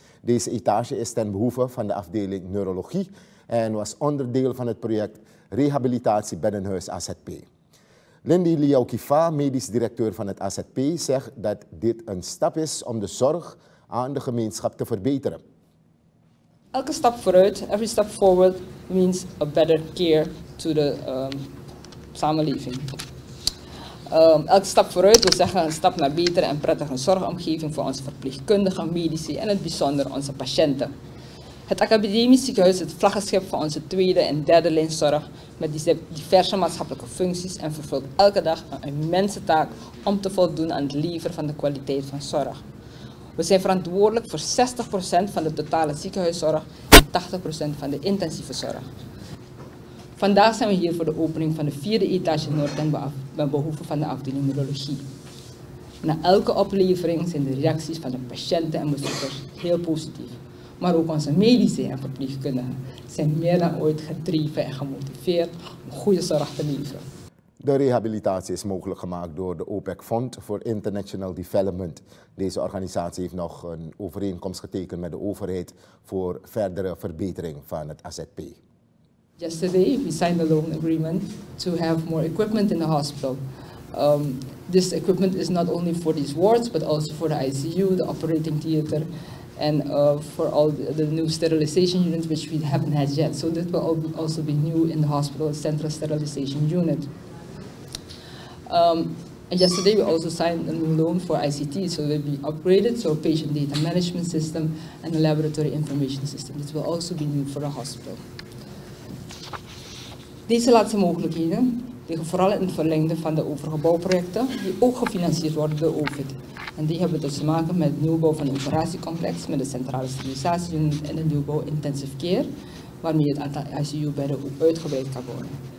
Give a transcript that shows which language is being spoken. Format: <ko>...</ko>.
<nl>Deze etage is ten behoeve van de afdeling neurologie en was onderdeel van het project Rehabilitatie Beddenhuis AZP. Lindy Liaukifa, medisch directeur van het AZP, zegt dat dit een stap is om de zorg aan de gemeenschap te verbeteren. Elke stap vooruit,</nl> <en>every step forward, means a better care to the samenleving.</en> <nl>Elke stap vooruit wil zeggen een stap naar betere en prettige zorgomgeving voor onze verpleegkundigen, medici en in het bijzonder onze patiënten. Het Academisch Ziekenhuis is het vlaggenschip van onze tweede en derde lijn zorg met diverse maatschappelijke functies en vervult elke dag een immense taak om te voldoen aan het leveren van de kwaliteit van zorg. We zijn verantwoordelijk voor 60% van de totale ziekenhuiszorg en 80% van de intensieve zorg. Vandaag zijn we hier voor de opening van de vierde etage Noord en met behoefte van de afdeling neurologie. Na elke oplevering zijn de reacties van de patiënten en bezoekers heel positief. Maar ook onze medici en verpleegkundigen zijn meer dan ooit gedreven en gemotiveerd om goede zorg te leveren. De rehabilitatie is mogelijk gemaakt door de OPEC Fund for International Development. Deze organisatie heeft nog een overeenkomst getekend met de overheid voor verdere verbetering van het AZP.</nl> <en>Yesterday we signed a loan agreement to have more equipment in the hospital. This equipment is not only for these wards, but also for the ICU, the operating theater, and for all the new sterilization units which we haven't had yet. So that will also be new in the hospital, central sterilization unit. And yesterday we also signed a new loan for ICT, so it will be upgraded, so patient data management system and a laboratory information system. This will also be new for the hospital.</en> <nl>Deze laatste mogelijkheden liggen vooral in het verlengde van de overgebouwprojecten die ook gefinancierd worden door OVID. En die hebben dus te maken met het nieuwbouw van het operatiecomplex met de centrale sterilisatie unit en de nieuwbouw intensive care, waarmee het aantal ICU-bedden ook uitgebreid kan worden.</nl>